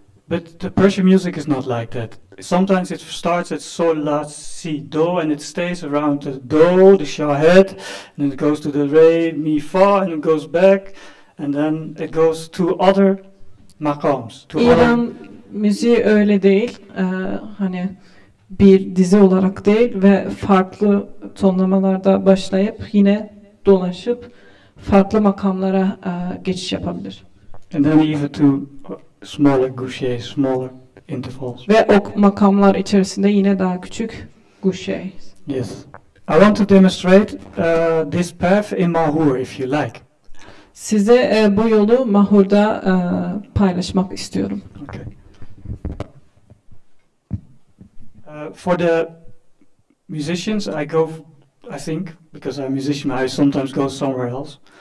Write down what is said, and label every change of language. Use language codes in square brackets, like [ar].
[en] But the Persian music is not like that. Sometimes it starts at sol, la, si, do, and it stays around the do, the shahed, and then it goes to the re, mi, fa, and it goes back, and then it goes to other makams. To [tr] İran other... müziği öyle değil. Hani bir dizi olarak değil ve farklı tonlamalarda başlayıp yine dolaşıp farklı makamlara geçiş yapabilir. [en] And then even to smaller guşey, smaller intervals. [tr] Ve o makamlar içerisinde yine daha küçük guşey. [en] Yes. I want to demonstrate this path in Mahur if you like. [tr] Size bu yolu Mahur'da paylaşmak istiyorum. [en] Okay. For the musicians, I go, I think, because I'm a musician, I sometimes go somewhere else.